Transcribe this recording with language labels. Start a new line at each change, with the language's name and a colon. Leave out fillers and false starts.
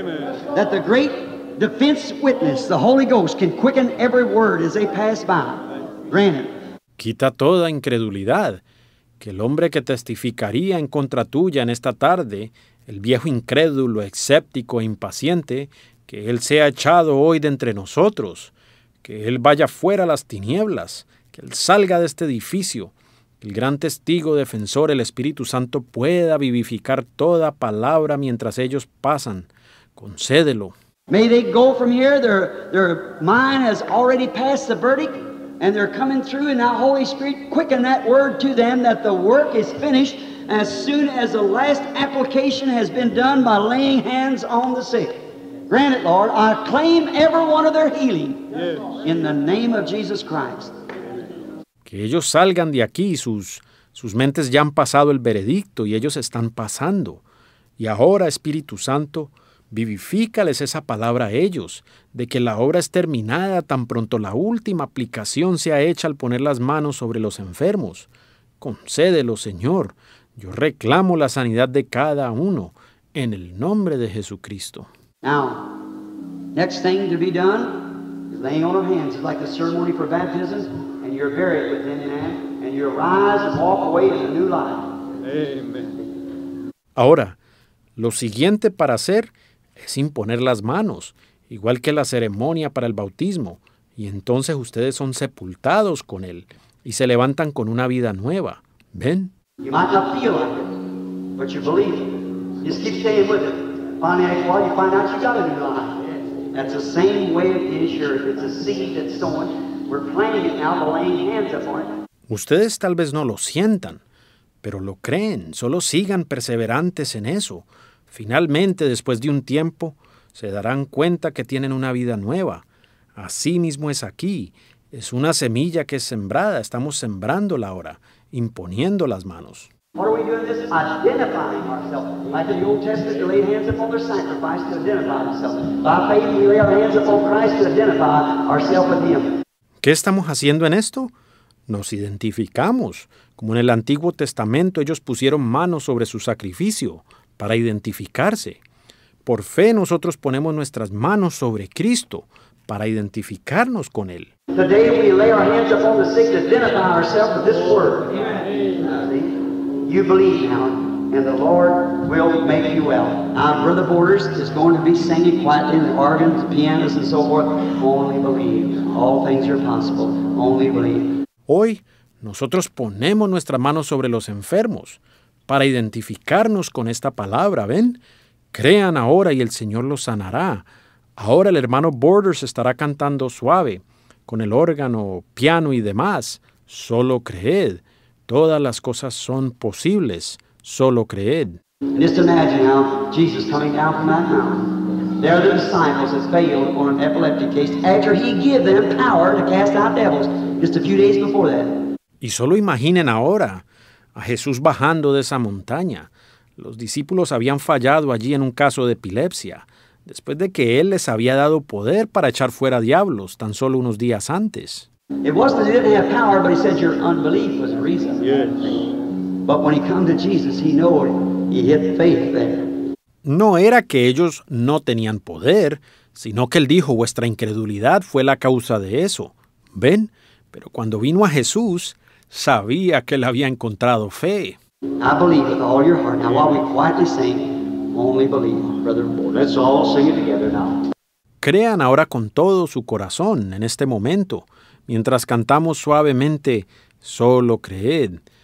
English: Amen. That the great defense witness, the Holy Ghost, can quicken every word as they pass by. Granted.
Spanish: Quita toda incredulidad. Que el hombre que testificaría en contra tuya en esta tarde, el viejo incrédulo, escéptico e impaciente, que él sea echado hoy de entre nosotros. Que él vaya fuera a las tinieblas. Que él salga de este edificio. El gran testigo defensor, el Espíritu Santo, pueda vivificar toda palabra mientras ellos pasan. Concédelo.
English: May they go from here. Their mind has already passed the verdict, and they're coming through, and now Holy Spirit quicken that word to them that the work is finished as soon as the last application has been done by laying hands on the sick. Grant it, Lord. I claim every one of their healing. Yes. In the name of Jesus Christ.
Spanish: Que ellos salgan de aquí, sus mentes ya han pasado el veredicto y ellos están pasando. Y ahora, Espíritu Santo, vivifícales esa palabra a ellos, de que la obra es terminada tan pronto la última aplicación sea hecha al poner las manos sobre los enfermos. Concédelo, Señor. Yo reclamo la sanidad de cada uno, en el nombre de Jesucristo.
English: Now, next thing to be done is laying on of hands. It's like the ceremony for baptism, and you're buried within that, and you arise and walk away to the new life. Amen.
Spanish: Ahora, lo siguiente para hacer es imponer las manos, igual que la ceremonia para el bautismo, y entonces ustedes son sepultados con él y se levantan con una vida nueva. ¿Ven?
English: You might not feel like it, but you believe it. Just keep staying with it. Finally, you find out you got a new life. That's the same way it is here. It's a seed that's sown. We're planting it now, laying hands upon it.
Spanish: Ustedes tal vez no lo sientan, pero lo creen. Solo sigan perseverantes en eso. Finalmente, después de un tiempo, se darán cuenta que tienen una vida nueva. Así mismo es aquí. Es una semilla que es sembrada. Estamos sembrándola ahora, imponiendo las manos.
English: What are we doing this? Identifying ourselves. Like in the Old Testament, we laid hands upon their sacrifice to identify ourselves. By faith, we lay our hands upon Christ to identify ourselves with him.
Spanish: ¿Qué estamos haciendo en esto? Nos identificamos. Como en el Antiguo Testamento, ellos pusieron manos sobre su sacrificio para identificarse. por fe nosotros ponemos nuestras manos sobre Cristo para identificarnos con Él.
English: Today we lay our hands upon the sick to identify ourselves with this word. You believe now, and the Lord will make you well. Our brother Borders is going to be singing quietly in the organs, pianos, and so forth. Only believe. All things are possible. Only believe.
Spanish: Hoy, nosotros ponemos nuestra mano sobre los enfermos para identificarnos con esta palabra, ¿ven? Crean ahora y el Señor los sanará. Ahora el hermano Borders estará cantando suave, con el órgano, piano y demás. Solo creed. Todas las cosas son posibles. Solo creed.
English: Just imagine how Jesus coming down from that mountain. There are the disciples that failed on an epileptic case after he gave them power to cast out devils just a few days before that.
Spanish: Y solo imaginen ahora a Jesús bajando de esa montaña. Los discípulos habían fallado allí en un caso de epilepsia, después de que Él les había dado poder para echar fuera diablos tan solo unos días antes.
English: It wasn't that he didn't have power, but he said your unbelief was the reason. Yes. But when he came to Jesus, he knew it. He hit faith there.
Spanish: No era que ellos no tenían poder, sino que Él dijo, vuestra incredulidad fue la causa de eso. ¿Ven? Pero cuando vino a Jesús, sabía que Él había encontrado fe.
English: I believe with all your heart. Now while we quietly sing, only believe, brother. Let's all sing it together now.
Spanish: Crean ahora con todo su corazón en este momento, mientras cantamos suavemente, solo creed.